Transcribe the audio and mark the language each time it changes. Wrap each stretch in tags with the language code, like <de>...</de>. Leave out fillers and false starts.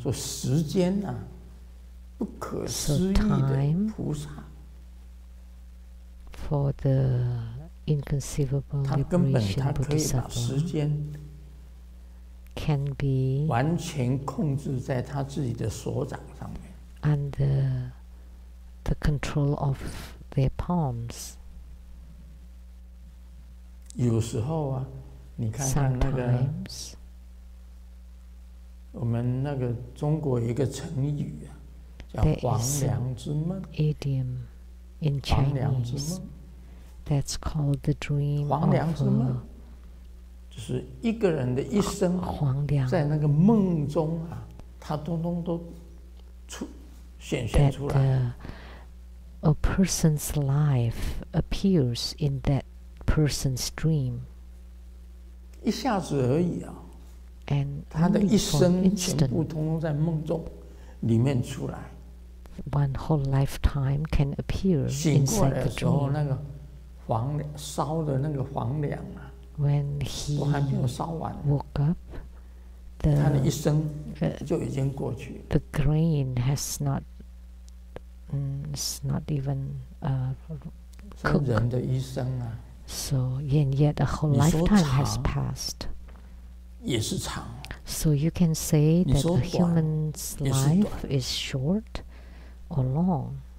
<zh>So, 时间啊, 不可思议的菩萨,</zh> <en>so time for the inconceivable liberation bodhisattva can be under the control of their palms.</en> <zh>有时候啊, 你看看那个,</zh> <en>sometimes,</en> <zh>我们那个中国有一个成语啊, 叫黄粱之梦,</zh> <en>there is an idiom in Chinese that's called the dream of</en> <zh>黄粱之梦, 就是一个人的一生, 黄粱, 在那个梦中啊, 他通通都出, 显现出来,</zh> <en>that a person's life appears in that person's dream.</en> <zh>一下子而已啊。</zh> <en>And</en> <zh>他的一生全部通通在梦中里面出来。</zh> <en>One whole lifetime can appear inside the dream.</en> <zh>醒过来的时候，那个房烧的那个房梁啊。</zh> <en>When he</en> <zh>都还没有烧完。</zh> <en>Woke up.</en> <zh>他的一生就已经过去了。</zh> <en>The grain has not, it's not even cooked.</en> <zh>人的一生啊。</zh> <en>So, and yet a whole lifetime has passed.</en> <zh>也是长。</zh> <en>So you can say that a human's life is short or long.</en>